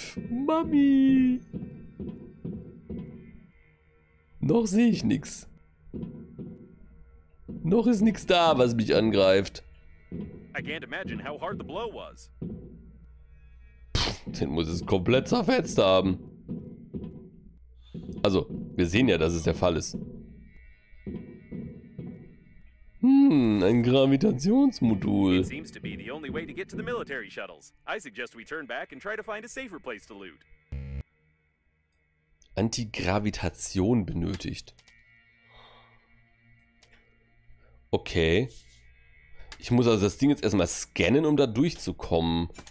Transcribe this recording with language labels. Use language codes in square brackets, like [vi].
[de] Mami. Noch sehe ich nichts. Noch ist nichts da, was mich angreift. [en] I can't imagine how hard the blow was. [de] Pff, den muss es komplett zerfetzt haben. Also, wir sehen ja, dass es der Fall ist. Ein Gravitationsmodul. [en] It seems to be the only way to get to the military shuttles. I suggest we turn back and try to find a safer place to loot. [de] Antigravitation benötigt. Okay. Ich muss also das Ding jetzt erstmal scannen, um da durchzukommen.